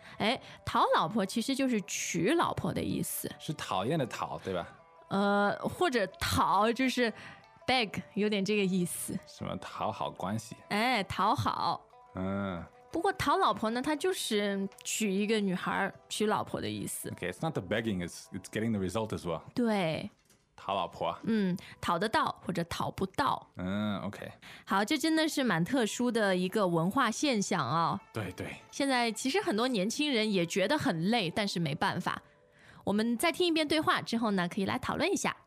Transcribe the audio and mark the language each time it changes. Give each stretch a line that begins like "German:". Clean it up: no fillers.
Chinese: 哎，讨老婆其实就是娶老婆的意思，是讨厌的讨对吧？或者讨就是beg， 有点这个意思。什么讨好关系？哎，讨好。嗯。不过讨老婆呢，它就是娶一个女孩，娶老婆的意思。
English: Okay, it's not the begging, it's getting the result as well.
Chinese: 对。讨老婆。嗯，讨得到或者讨不到。
English: 嗯 ，OK。
Chinese: 好，这真的是蛮特殊的一个文化现象啊、哦。对对。现在其实很多年轻人也觉得很累，但是没办法。我们再听一遍对话之后呢，可以来讨论一下。